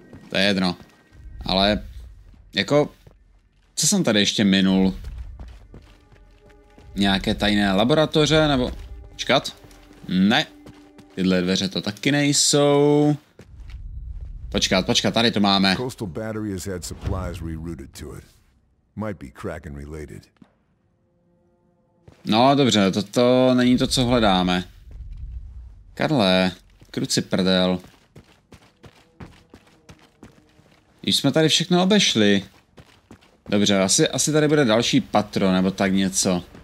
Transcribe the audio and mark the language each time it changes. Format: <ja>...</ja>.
<cs>To je jedno. Ale, jako, co jsem tady ještě minul? Nějaké tajné laboratoře, nebo, čekat? Ne. Tyhle dveře to taky nejsou. Počkat, tady to máme.</cs> <en>Coastal battery has had supplies rerouted to it. Might be Kraken related.</en> <cs>No, dobře, to není to, co hledáme. Karle, kruci prdel. Již jsme tady všechno obešli. Dobře, asi tady bude další patro, nebo tak něco.</cs>